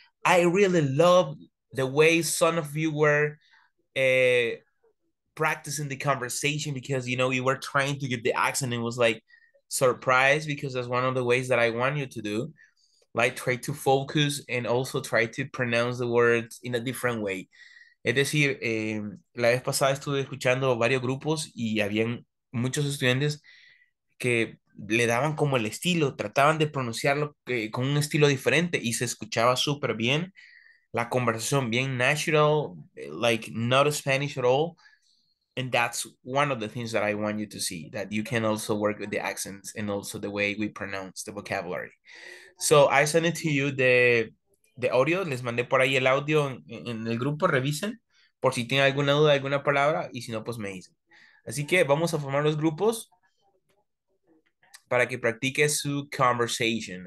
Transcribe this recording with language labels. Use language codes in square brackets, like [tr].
[en] I really love the way some of you were practicing the conversation because, you know, you were trying to get the accent. It was like surprise because that's one of the ways that I want you to do. Like try to focus and also try to pronounce the words in a different way. [es] Es decir, la vez pasada estuve escuchando varios grupos y habían muchos estudiantes que le daban como el estilo, trataban de pronunciarlo con un estilo diferente y se escuchaba súper bien. La conversación bien natural, [en] like not Spanish at all. And that's one of the things that I want you to see, that you can also work with the accents and also the way we pronounce the vocabulary. So I sent it to you, the audio. [es] Les mandé por ahí el audio en el grupo. Revisen por si tienen alguna duda, alguna palabra. Y si no, pues me dicen. Así que vamos a formar los grupos para que practique su conversation.